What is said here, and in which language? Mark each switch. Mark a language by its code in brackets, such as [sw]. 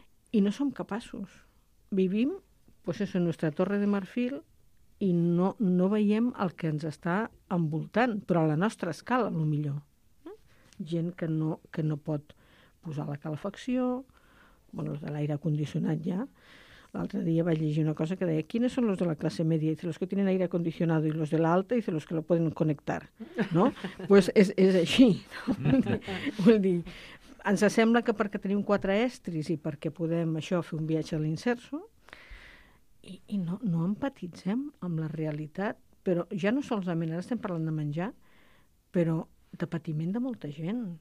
[ca] I no som capaços. Vivim, [es] pues eso, [ca] en nostra torre de marfil, i no veiem el que ens està envoltant, però a la nostra escala, lo millor. Gent que no pot posar la calefacció, bueno, de l'aire condicionat ja. L'altre dia vaig llegir una cosa que deia, [es] ¿quiénes son los de la clase media? Dice, los que tienen aire acondicionado, y los de la alta, dice, los que lo pueden conectar, ¿no? [ca] Pues es així, ¿no? Vull dir, ens sembla que perquè tenim quatre estris i perquè podem això fer un viatge a l'inserso, i no empatitzem amb la realitat, però ja no solament, ara estem parlant de menjar, però de patiment de molta gent.